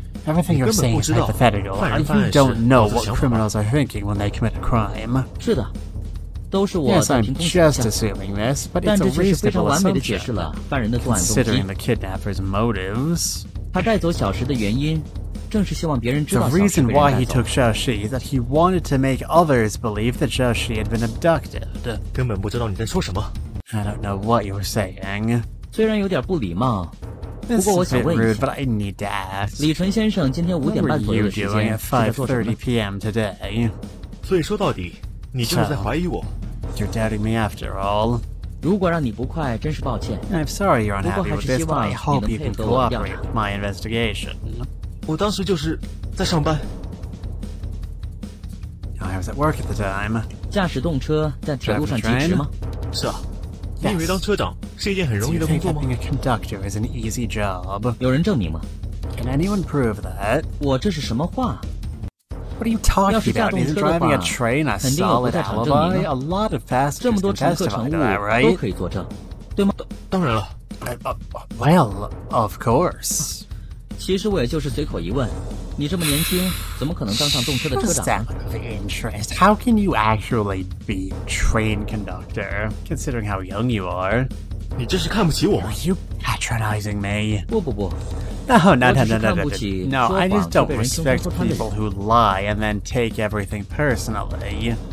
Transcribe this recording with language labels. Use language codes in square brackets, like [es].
[en] Everything you're saying is hypothetical, and you don't know what criminals are thinking when they commit a crime. [zh] 是的。都是我 [en] yes, I'm just assuming this, but it's a reasonable assumption, considering the kidnapper's motives. [zh] 他带走小石的原因，正是希望别人知道。 [en] The reason why he took Shashi is that he wanted to make others believe that Shashi had been abducted. [zh] 根本不知道你在说什么。 [en] I don't know what you're saying. [zh] 虽然有点不礼貌，不过我想问一下， [en] but I need to ask. [zh] 李纯先生今天五点半左右的时间是在做什么 [en] ？5:30 p.m. today. [zh] 所以说到底。你就是在怀疑我。 [en] You're doubting me after all. [zh] 如果让你不快，真是抱歉。 [en] I'm sorry you're unhappy with this. I hope you can cooperate with my investigation. [zh] 我当时就是在上班。 [en] I was at work at the time. [zh] 驾驶动车在铁路上疾驰吗？是啊。你以为当车长是一件很容易的工作吗？ [en] Being a conductor is an easy job. [zh] 有人证明吗？ [en] Can anyone prove that? [zh] 我这是什么话？ [en] What are you talking about? Is driving a train a solid alibi? A lot of passengers can testify to that, right? [zh] 都可以作证，对吗？当然了。 [en] Well, of course. [zh] 其实我也就是随口一问，你这么年轻，怎么可能当上动车的车长？ [en] Exactly. Interest. How can you actually be train conductor, considering how young you are? [zh] 你这是看不起我吗？ [en] Are you patronizing me? [zh] 不不不。 [en] No, I just don't respect people who lie and then take everything personally.